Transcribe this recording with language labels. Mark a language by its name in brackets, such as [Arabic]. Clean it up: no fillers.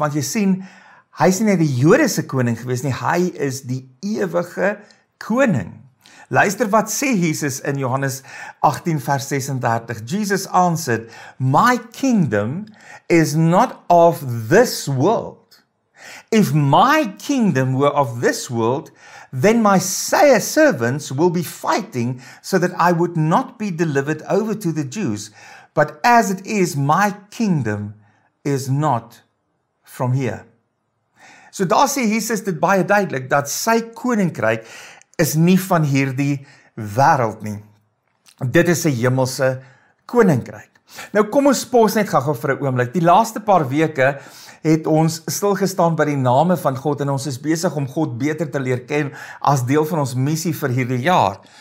[Afrikaans] Want jy sien, hy is nie die Jode se koning gewees nie, hy is die ewige koning. Luister wat sê Jesus in Johannes 18 vers 36. [English] Jesus answered, My kingdom is not of this world. If my kingdom were of this world, then my servants will be fighting so that I would not be delivered over to the Jews. But as it is, my kingdom is not from here. [Afrikaans] So daar sê Jesus dit baie duidelik, dat sy koninkryk is nie van hierdie wêreld nie. Dit is 'n hemelse koninkryk. Nou kom ons pos net gou vir 'n oomblik. Die laaste paar weke het ons stilgestaan by die name van God en ons is besig om God beter te leer ken as deel van ons missie vir hierdie jaar.